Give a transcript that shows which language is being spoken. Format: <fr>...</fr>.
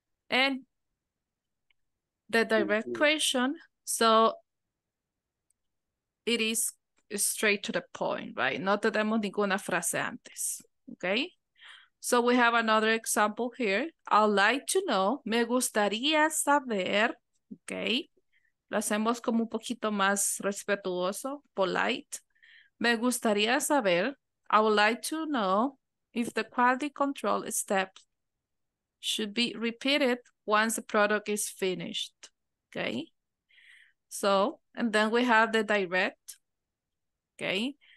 <en>And the direct question, so it is straight to the point, right?</en> <es>No tenemos ninguna frase antes,</es> <en>okay? So we have another example here. I'd like to know,</en> <es>me gustaría saber,</es> <en>okay?</en> <es>Lo hacemos como un poquito más respetuoso, polite. Me gustaría saber,</es> <en>I would like to know if the quality control step should be repeated once the product is finished, okay? So, and then we have the direct, okay?</en>